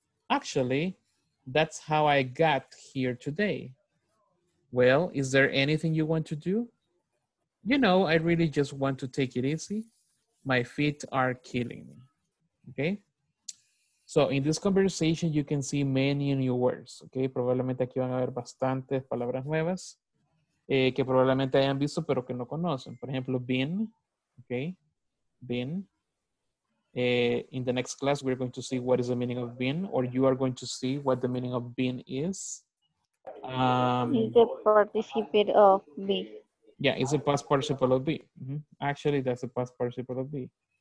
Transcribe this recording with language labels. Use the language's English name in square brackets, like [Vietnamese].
[English] Actually, that's how I got here today. Well, is there anything you want to do? You know, I really just want to take it easy. My feet are killing me. Okay? So, in this conversation, you can see many new words. Okay? [Spanish] Probablemente aquí van a ver bastantes palabras nuevas que probablemente hayan visto, pero que no conocen. Por ejemplo, been. Okay? Been. [English] In the next class, we're going to see what is the meaning of been, or you are going to see what the meaning of been is. Is the participle of be. Yeah, it's a past participle of be. Mm-hmm. Actually, that's a past participle of be.